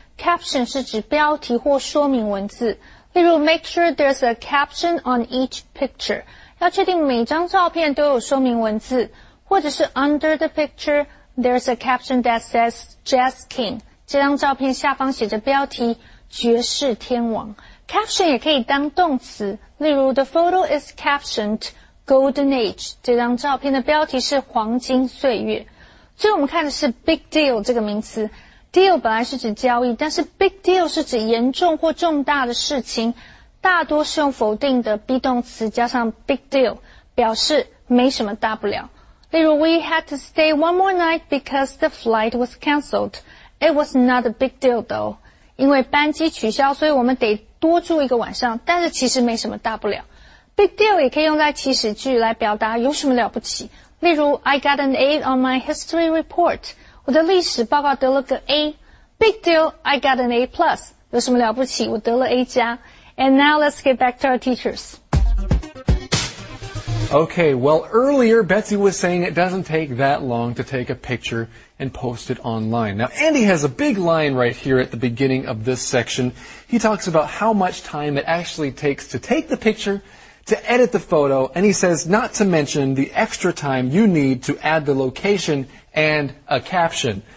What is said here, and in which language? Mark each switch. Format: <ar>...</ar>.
<zh>Caption 是指标题或说明文字，例如</zh> <en>make sure there's a caption on each picture，</en> <zh>要确定每张照片都有说明文字，或者是</zh> <en>under the picture there's a caption that says Jazz King，</en> <zh>这张照片下方写着标题爵士天王。Caption 也可以当动词，例如</zh> <en>the photo is captioned Golden Age，</en> <zh>这张照片的标题是黄金岁月。最后我们看的是 big deal 这个名词。 Deal 本来是指交易， 但是 big deal 是指严重或重大的事情， 大多是用否定的 be 动词 加上 big deal， 表示没什么大不了。例如</zh> <en>we had to stay one more night because the flight was cancelled. It was not a big deal though.</en> <zh>因为班机取消， 所以我们得多住一个晚上， 但是其实没什么大不了。 Big deal 也可以用在祈使句来表达有什么了不起。例如</zh> <en>I got an A on my history report.</en> <zh>我的历史报告得了个 A.</zh> <en>Big deal, I got an A plus.</en> <zh>有什么了不起，我得了 A 加。</zh> <en>And now let's get back to our teachers. Okay, well earlier Betsy was saying it doesn't take that long to take a picture and post it online. Now Andy has a big line right here at the beginning of this section. He talks about how much time it actually takes to take the picture, to edit the photo, and he says not to mention the extra time you need to add the location and a caption.</en>